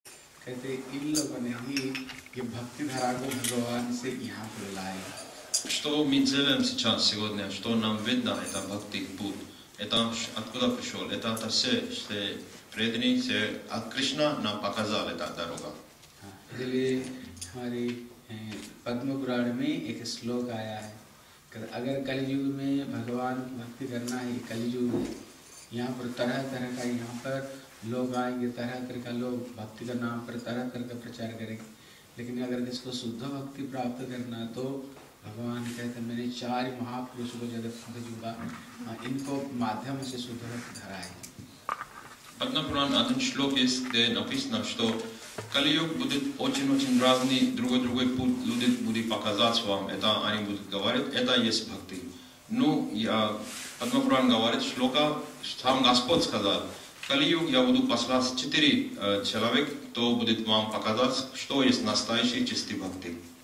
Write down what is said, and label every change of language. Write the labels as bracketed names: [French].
[Hindi] कहते इन लोगों ने ही ये भक्ति धारा को भगवान से यहाँ पर लाए [Russian] что мы делаем сейчас сегодня что нам видно это бхакти путь это откуда пришел это от все что преданные все от Кришна нам показали эта дорога или хари [Hindi] पद्मपुराण में एक श्लोक आया है अगर कलयुग में भगवान भक्ति करना है कलयुग में यहाँ पर तरह तरह का यहाँ पर लोग आएंगे तरह तरह का लोग भक्ति का नाम पर तरह तरह का प्रचार करेंगे लेकिन अगर इसको शुद्ध भक्ति प्राप्त करना तो भगवान कहते हैं मैंने चार महापुरुषों को जगत भेजूंगा इनको माध्यम से शुद्ध भक्ति धराएंगे पद्मपुराण आदम श्लोक [Russian] Калиюг будет очень-очень разный, другой-другой путь люди будут показать вам, это они будут говорить, это есть бхакти. Ну, я, Падмапуран говорит, шлока, сам Господь сказал, Калиюг я буду послать 4 человек, кто будет вам показать, что есть настоящий чистый бхакти.